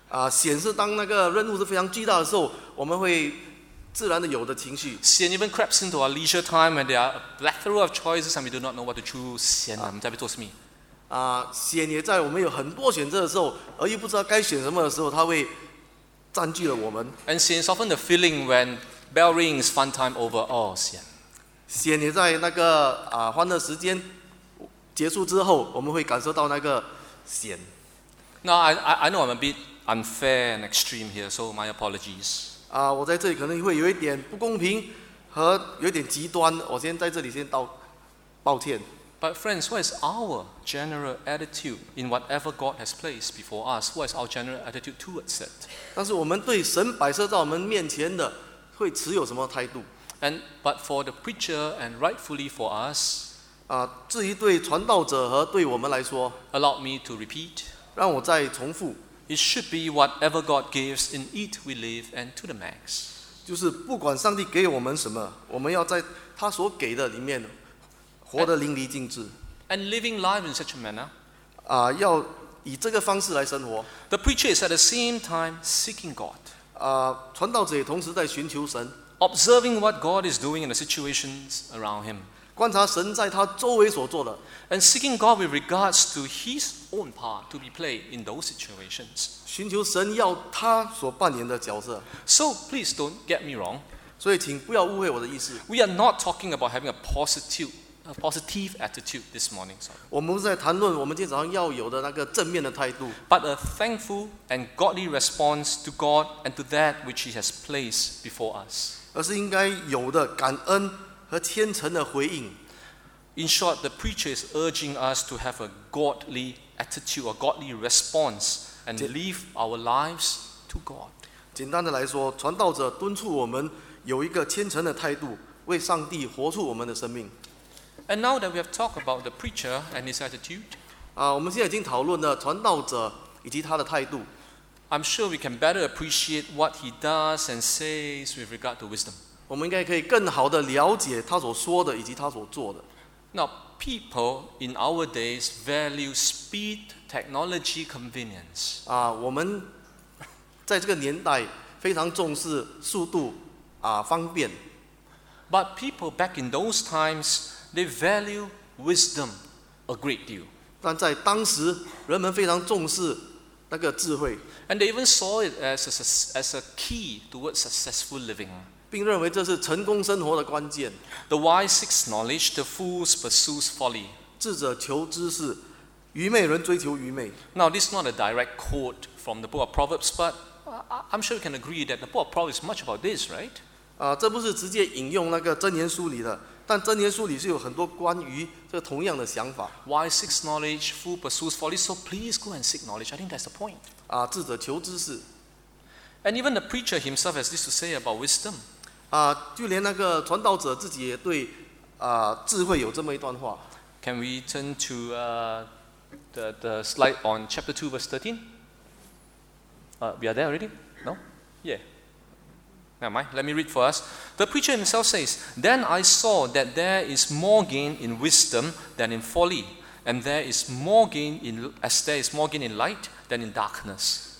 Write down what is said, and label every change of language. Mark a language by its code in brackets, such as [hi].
[zh] 闲是当那个任务是非常巨大的时候，我们会自然的有的情绪。 [en] 闲 even creeps into our leisure time when there are a plethora of choices and we do not know what to choose. [zh] 闲啊，我们在被做什么？闲也在我们有很多选择的时候，而又不知道该选什么的时候，它会占据了我们。 [en] And 闲 is often the feeling when bell rings, fun time over. [zh] Oh, 闲。闲也在那个欢乐时间结束之后，我们会感受到那个闲。 [en] Now I know I'm a bit unfair and extreme here, so my apologies. [zh] 我在这里可能会有一点不公平和有一点极端，我先在这里先道抱歉。 [en] But friends, what is our general attitude in whatever God has placed before us? What is our general attitude towards it? [zh] 但是我们对神摆设在我们面前的，会持有什么态度？ [en] But for the preacher and rightfully for us, [zh] 至于对传道者和对我们来说 [en] ，Allow me to repeat. [zh] 让我再重复 [en] ，It should be whatever God gives in it we live and to the max. [zh] 就是不管上帝给我们什么，我们要在他所给的里面活得淋漓尽致。 [en] And living life in such a manner, [zh] 要以这个方式来生活。 [en] The preacher is at the same time seeking God. [zh] 传道者也同时在寻求神。 [en] Observing what God is doing in the situations around him, [zh] 观察神在他周围所做的 [en] and seeking God with regards to His own part to be played in those situations. [zh] 寻求神要他所扮演的角色 [en] So please don't get me wrong. [zh] 所以请不要误会我的意思 [en] We are not talking about having a positive attitude this morning. Sorry. [zh] 我们不是在谈论我们今天早上要有的那个正面的态度 [en] But a thankful and godly response to God and to that which He has placed before us. [zh] 而是应该有的感恩和虔诚的回应。 [en] In short, the preacher is urging us to have a godly attitude, a godly response, and leave our lives to God. [zh] 简单的来说，传道者敦促我们有一个虔诚的态度，为上帝活出我们的生命。 [en] And now that we have talked about the preacher and his attitude, [zh] 我们现在已经讨论了传道者以及他的态度。 [en] I'm sure we can better appreciate what he does and says with regard to wisdom. [zh] 我们应该可以更好的了解他所说的以及他所做的。 [en] Now, people in our days value speed, technology, convenience. [zh] 我们在这个年代非常重视速度方便。 [en] But people back in those times, they value wisdom a great deal. [zh] 但在当时，人们非常重视那个智慧。 [en] And they even saw it as a key towards successful living. [zh] 并认为这是成功生活的关键。 [en] The wise seeks knowledge, the fools pursues folly. [zh] 智者求知识，愚昧人追求愚昧。 [en] Now this is not a direct quote from the book of Proverbs, but I'm sure we can agree that the book of Proverbs is much about this, right? [zh] 这不是直接引用那个箴言书里的，但箴言书里是有很多关于这个同样的想法。 [en] Wise seeks knowledge, fool pursues folly. So please go and seek knowledge. I think that's the point. [zh] 智者求知识。 [en] And even the preacher himself has this to say about wisdom. [zh] 就连那个传道者自己也对智慧有这么一段话。 [en] Can we turn to the slide on chapter 2 verse 13? We are there already? No? Yeah. Never mind. Let me read for us. The preacher himself says, Then I saw that there is more gain in wisdom than in folly, and there is more gain in, as there is more gain in light than in darkness.